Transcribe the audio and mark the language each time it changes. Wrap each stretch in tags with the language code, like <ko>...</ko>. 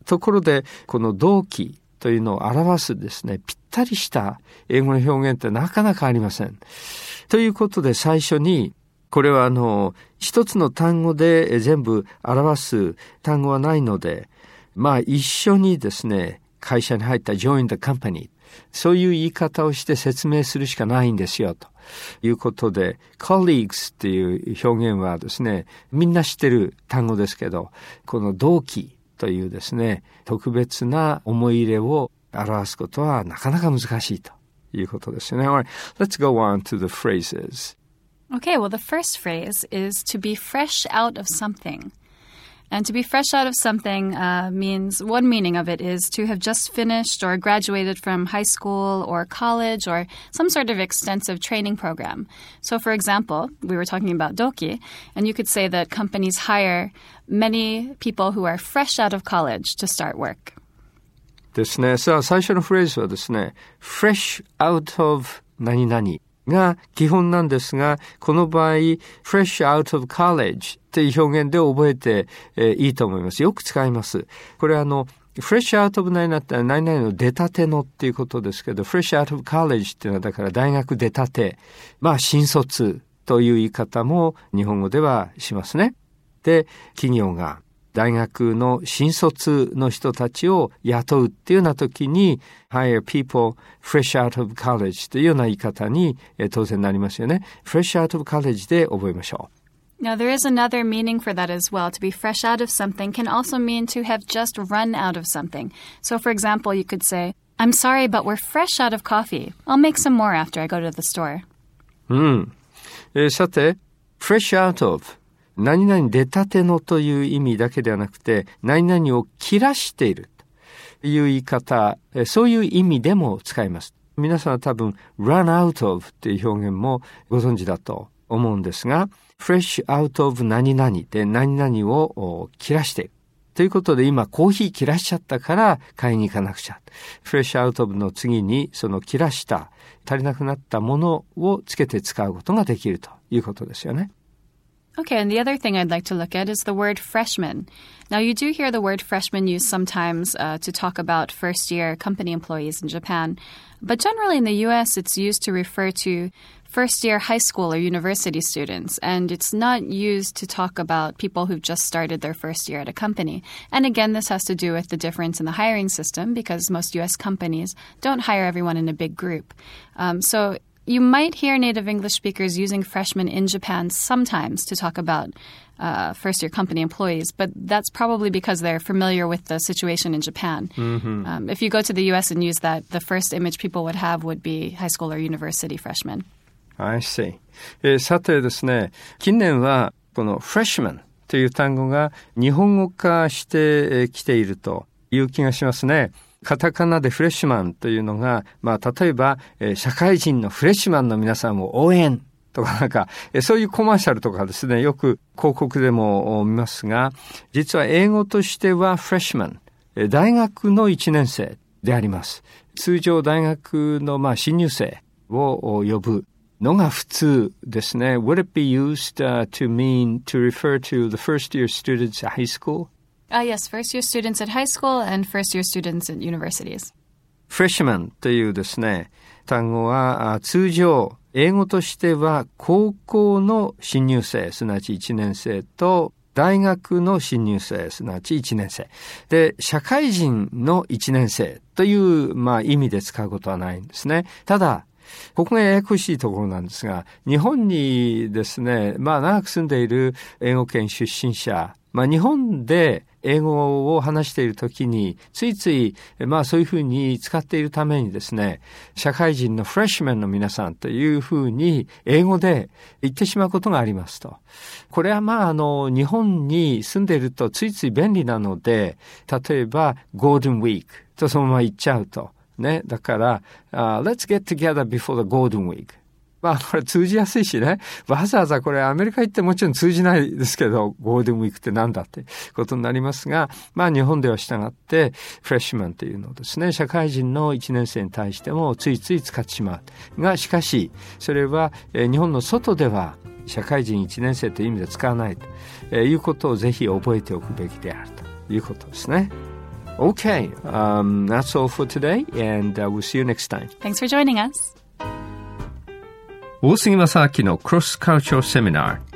<ja>ところでこの同期というのを表すですね、ぴったりした英語の表現ってなかなかありませんということで、最初にこれは一つの単語で全部表す単語はないので、まあ一緒にですね会社に入った</ja> <en>join the company、</en> <ja>そういう言い方をして説明するしかないんですよということで、 colleagues っていう表現はですね、みんな知ってる単語ですけど、この同期というですね、特別な思い入れを表すことはなかなか難しいということですね。</ja> <en>All right, let's go on to the phrases. Okay, well, the first phrase is to be fresh out of something. And to be fresh out of something means, one meaning of it is to have just finished or graduated from high school or college or some sort of extensive training program. So, for example, we were talking about Doki, and you could say that companies hire many people who are fresh out of college to start work.</en> <ja>ですね。さあ、最初のフレーズはですね、fresh out of 何々が基本なんですが、この場合、</ja> <en>fresh out of college</en> <ja>っていう表現で覚えて、いいと思います。よく使います。これは fresh out of 何々って何々の出たてのっていうことですけど、</ja> <en>fresh out of college</en> <ja>っていうのはだから大学出たて、まあ新卒という言い方も日本語ではしますね。で、企業が、大学の新卒の人たちを雇うっていうような時に</ja> <en>hire people fresh out of college</en> <ja>というような言い方に当然なりますよね。</ja> <en>fresh out of college</en> <ja>で覚えましょう。</ja> <en>Now there is another meaning for that as well. To be fresh out of something can also mean to have just run out of something. So for example, you could say, I'm sorry, but we're fresh out of coffee. I'll make some more after I go to the store.</en> <ja>さて、</ja> <en>fresh out of</en> <ja>何々出たてのという意味だけではなくて、何々を切らしているという言い方、そういう意味でも使います。皆さんは多分、</ja> <en>run out of</en> <ja>という表現もご存知だと思うんですが、</ja> <en>fresh out of</en> <ja>何々で何々を切らしている。ということで、今コーヒー切らしちゃったから買いに行かなくちゃ。</ja> <en>fresh out of</en> <ja>の次に、その切らした、足りなくなったものをつけて使うことができるということですよね。</ja> <en>Okay, and the other thing I'd like to look at is the word freshman. Now, you do hear the word freshman used sometimes to talk about first-year company employees in Japan. But generally in the U.S., it's used to refer to first-year high school or university students. And it's not used to talk about people who've just started their first year at a company. And again, this has to do with the difference in the hiring system because most U.S. companies don't hire everyone in a big group. So you might hear native English speakers using freshmen in Japan sometimes to talk about first-year company employees, but that's probably because they're familiar with the situation in Japan. Mm-hmm. If you go to the U.S. and use that, the first image people would have would be high school or university freshmen. I see.</en> <ja>さてですね、近年はこの freshman という単語が日本語化してきているという気がしますね。カタカナでフレッシュマンというのが、まあ、例えば、社会人のフレッシュマンの皆さんを応援とかなんか、そういうコマーシャルとかですね、よく広告でも見ますが、実は英語としてはフレッシュマン、大学の一年生であります。通常大学のまあ新入生を呼ぶのが普通ですね。</ja> <en>Would it be used to mean to refer to the first year students at high school? Yes, first year students at high school and first year students at universities.</en> <ja>Freshman というですね、単語は通常英語としては高校の新入生、すなわち1年生と大学の新入生、すなわち1年生。で、社会人の1年生という、まあ、意味で使うことはないんですね。ただ、ここがややこしいところなんですが、日本にですね、まあ長く住んでいる英語圏出身者、まあ日本で英語を話しているときについつい、まあそういうふうに使っているためにですね、社会人のフレッシュマンの皆さんというふうに英語で言ってしまうことがありますと。これはまあ日本に住んでいるとついつい便利なので、例えばゴールデンウィークとそのまま言っちゃうと。ね、だから、</ja> <en>let's get together before the golden week。</en> <ja>まあ、これ通じやすいしね。わざわざこれアメリカ行ってもちろん通じないですけど、ゴールデンウィークってなんだってことになりますが、まあ日本では従って、フレッシュマンというのをですね、社会人の1年生に対してもついつい使ってしまう。が、しかし、それは、日本の外では社会人1年生という意味で使わないと、いうことをぜひ覚えておくべきであるということですね。</ja> <en>Okay, that's all for today, and we'll see you next time. Thanks for joining us.</en> <ja>大杉正明の Cross Cultural Seminar</ja>